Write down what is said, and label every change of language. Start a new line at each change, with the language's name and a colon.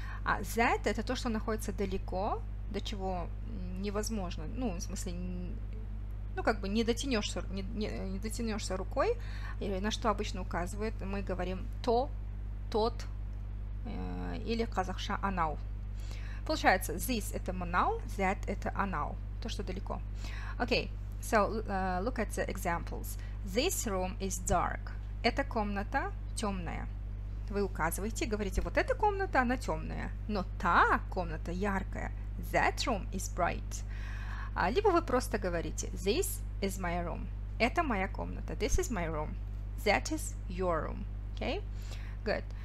Russian: А that – это то, что находится далеко, до чего невозможно, ну, в смысле, ну, как бы не дотянешься рукой, или на что обычно указывает, мы говорим то, тот, или казахша анау. Получается, this – это манау, that – это анау, то, что далеко.
English: Окей, okay, so look at the examples. This room is dark.
Russian: Эта комната темная. Вы указываете, говорите, вот эта комната, она темная, но та комната яркая.
English: That room is bright.
Russian: Либо вы просто говорите
English: this is my room.
Russian: Это моя комната.
English: This is my room. That is your room. Okay? Good.